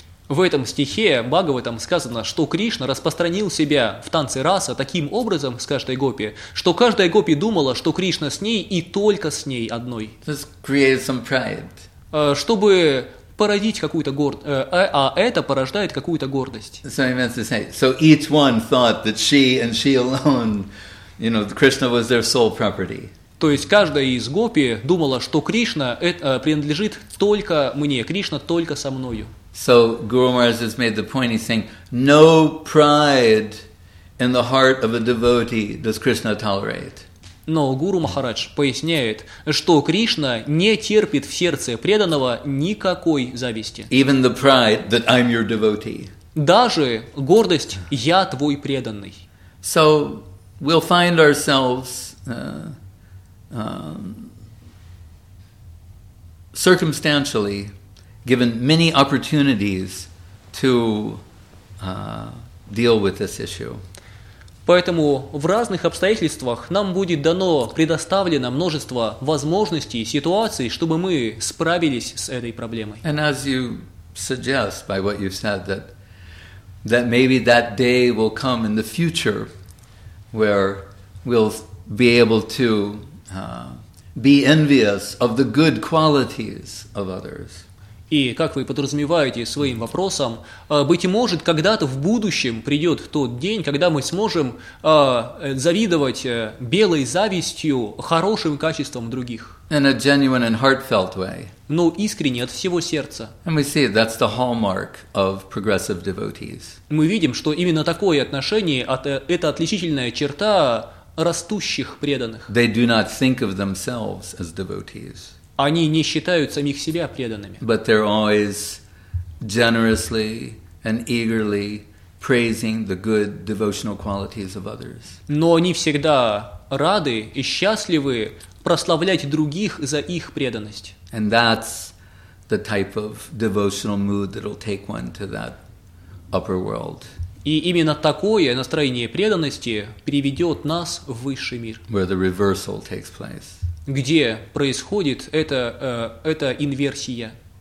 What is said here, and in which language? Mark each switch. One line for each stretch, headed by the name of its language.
Russian: В этом стихе Бхагаватам сказано, что Кришна распространил себя в танце раса таким образом с каждой гопи, что каждая гопи думала, что Кришна с ней и только с ней одной.
English: This creates some pride.
Russian: Чтобы породить какую-то гордость, а это порождает какую-то гордость.
English: So he meant to say, so each one thought that she and she alone, you know, Krishna was their sole property.
Russian: То есть каждая из гопи думала, что Кришна принадлежит только мне, Кришна только со мною.
English: So Guru Maharaj has made the point, he's saying, no pride in the heart of a devotee does Krishna tolerate.
Russian: Но Гуру Махарадж поясняет, что Кришна не терпит в сердце преданного никакой зависти.
English: Even the pride that I'm your devotee.
Russian: Даже гордость «я твой преданный».
English: So we'll find ourselves circumstantially given many opportunities to deal with this issue.
Russian: Поэтому в разных обстоятельствах нам будет дано предоставлено множество возможностей и ситуаций, чтобы мы справились с этой проблемой.
English: And as you suggest by what you said, that maybe that day will come in the future where we'll be able to be envious of the good qualities of others.
Russian: И как вы подразумеваете своим вопросом, быть может, когда-то в будущем придет тот день, когда мы сможем завидовать белой завистью хорошим качествам других.
English: In a genuine and heartfelt way.
Russian: Но искренне, от всего сердца.
English: And we see that's the hallmark of progressive devotees.
Russian: Мы видим, что именно такое отношение, это отличительная черта растущих преданных.
English: They do not think of themselves as devotees.
Russian: Они не считают самих себя преданными.
English: But they're always generously and eagerly praising the good devotional qualities of others.
Russian: Но они всегда рады и счастливы прославлять других за их преданность.
English: And that's the type of devotional mood that'll take one to that upper world.
Russian: И именно такое настроение преданности приведет нас в высший мир.
English: Where the reversal takes place.
Russian: Где происходит эта инверсия?